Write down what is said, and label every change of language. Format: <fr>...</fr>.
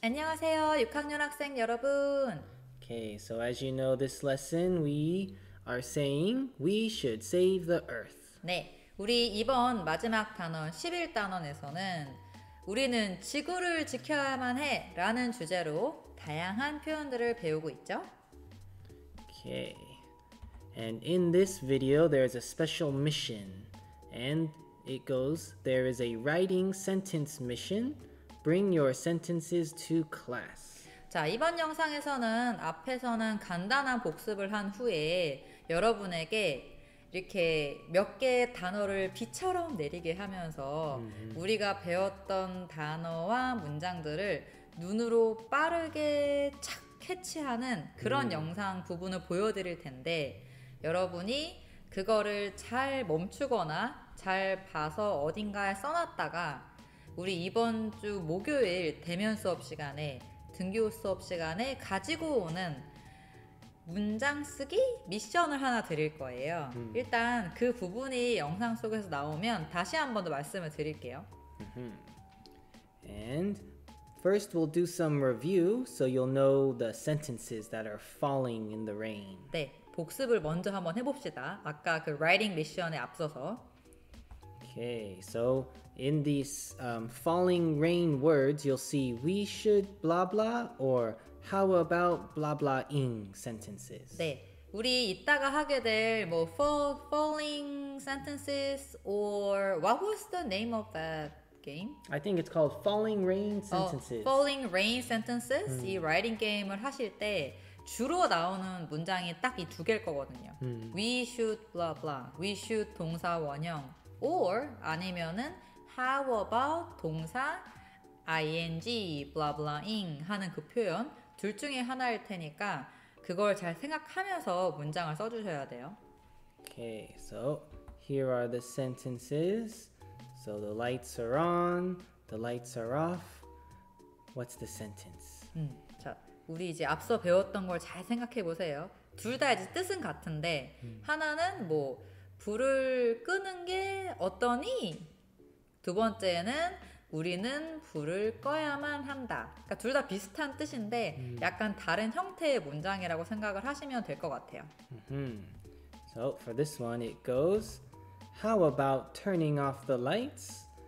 <ko>안녕하세요, 6학년 학생 여러분.</ko> <en>Okay, so as you know, this lesson we are saying we should save the earth.</en> <ko>네, 우리 이번 마지막 단원 11단원에서는 우리는 지구를 지켜야만 해 라는 주제로 다양한 표현들을 배우고 있죠.</ko> <en>Okay, and in this video, there is a special mission and it goes, there is a writing sentence mission. Bring your sentences to class.</en> <ko>자, 이번 영상에서는 앞에서는 간단한 복습을 한 후에 여러분에게 이렇게 몇 개의 단어를 비처럼 내리게 하면서 우리가 배웠던 단어와 문장들을 눈으로 빠르게 착 캐치하는 그런 영상 부분을 보여드릴 텐데 여러분이 그거를 잘 멈추거나 잘 봐서 어딘가에 써놨다가 우리 이번 주 목요일 대면 수업 시간에 등교 수업 시간에 가지고 오는 문장 쓰기 미션을 하나 드릴 거예요. 일단 그 부분이 영상 속에서 나오면 다시 한 번 더 말씀을 드릴게요.</ko> <en>And first we'll do some review so you'll know the sentences that are falling in the rain.</en> <ko>네, 복습을 먼저 한번 해봅시다. 아까 그 writing 미션에 앞서서.</ko> <en>Okay, so in these falling rain words, you'll see we should blah blah or how about blah blah-ing sentences.</en> <ko>네, 우리 이따가 하게 될 뭐</ko> <en>falling sentences or what was the name of that game? I think it's called falling rain sentences. Falling rain sentences,</en> <ko>이 writing 게임을 하실 때 주로 나오는 문장이 딱 이 두 개일 거거든요.</ko> <en>We should blah blah, we should</en> <ko>동사 원형. Or 아니면은 how about 동사 ing blah blah-ing 하는 그 표현 둘 중에 하나일 테니까 그걸 잘 생각하면서 문장을 써주셔야 돼요.</ko> <en>Okay, so here are the sentences. So the lights are on, the lights are off. What's the sentence?</en> <ko>자, 우리 이제 앞서 배웠던 걸 잘 생각해 보세요. 둘 다 이제 뜻은 같은데 하나는 뭐 불을 끄는 게 어떠니? 두 번째는 우리는 불을 꺼야만 한다. 그러니까 둘 다 비슷한 뜻인데 약간 다른 형태의 문장이라고 생각을 하시면 될 것 같아요.</ko> <en>So for this one it goes, How about turning off the lights?</en>